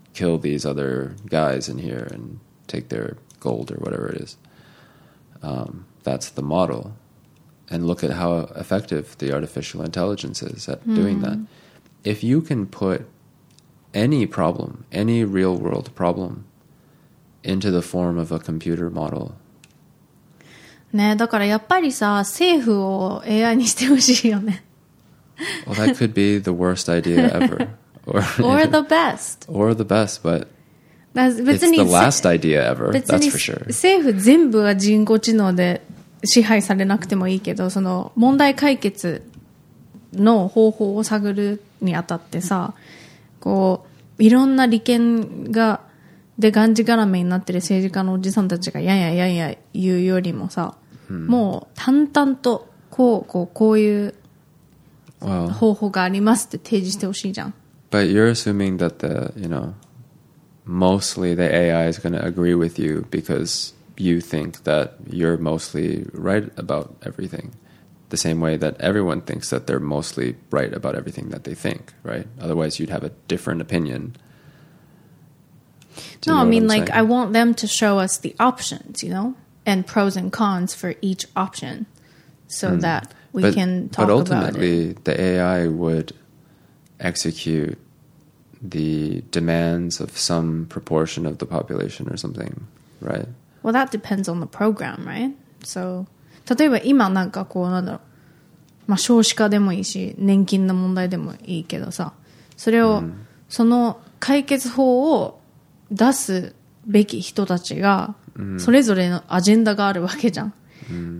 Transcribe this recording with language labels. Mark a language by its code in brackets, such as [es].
[en] kill these other guys in here and take their gold or whatever it is. That's the model. And look at how effective the artificial intelligence is at doing that. If you can put any problem, any real world problem, into the form of a computer model. [ja] ね、だからやっぱりさ、政府を AI にしてほしいよね。 [en] Well, that could be the worst idea ever. Or the best. Or the best, but it's the last idea ever, that's for sure. [ja] 政府全部が人工知能で支配されなくてもいいけど、その問題解決の方法を探るにあたってさ、こういろんな利権がでがんじがらめになってる政治家のおじさんたちがやんやんやんや言うよりもさ、もう淡々とこういう方法がありますって提示してほしいじゃん。 [en] But you're assuming that the, you know, mostly the AI is going to agree with you because you think that you're mostly right about everything. The same way that everyone thinks that they're mostly right about everything that they think, right? Otherwise, you'd have a different opinion. No, I mean, like, I want them to show us the options, you know, and pros and cons for each option so that we can talk about it. But ultimately, the AI would execute the demands of some proportion of the population or something, right? Well, that depends on the program, right? [ja] So, 例えば今なんかこうなんだろう、まあ少子化でもいいし、年金の問題でもいいけどさ、それを、その解決法を出すべき人たちが、それぞれのアジェンダがあるわけじゃん。